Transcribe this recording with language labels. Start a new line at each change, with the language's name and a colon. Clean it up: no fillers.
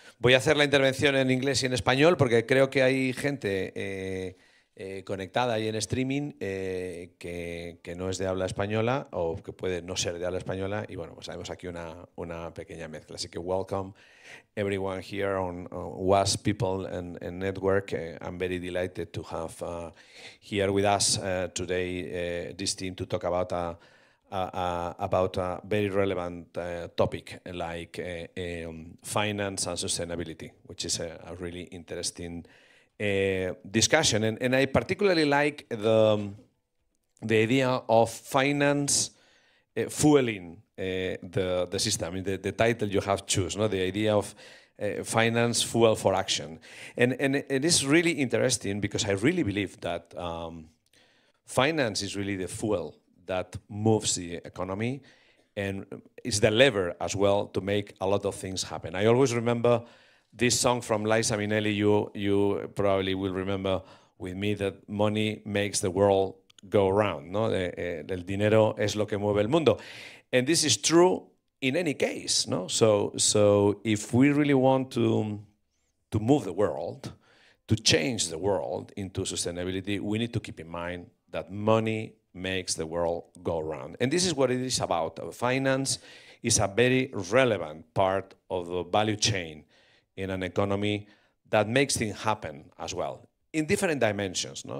Spanish: Voy a hacer la intervención en inglés y en español porque creo que hay gente conectada y en streaming que no es de habla española o que puede no ser de habla española y bueno, pues tenemos aquí una pequeña mezcla. Así que
English: welcome everyone here on WASP People and Network. I'm very delighted to have here with us today this team to talk about about a very relevant topic like finance and sustainability, which is a really interesting discussion. And I particularly like the idea of finance fueling the system. I mean, the title you have choose, no? The idea of finance fuel for action. And it is really interesting because I really believe that finance is really the fuel that moves the economy and is the lever as well to make a lot of things happen. I always remember this song from Liza Minnelli, you probably will remember with me, that money makes the world go round, no?
Spanish: El dinero es lo que mueve el mundo.
English: And this is true in any case, no? So if we really want to move the world, to change the world into sustainability, we need to keep in mind that money makes the world go round. And this is what it is about. Finance is a very relevant part of the value chain in an economy that makes things happen as well, in different dimensions, no?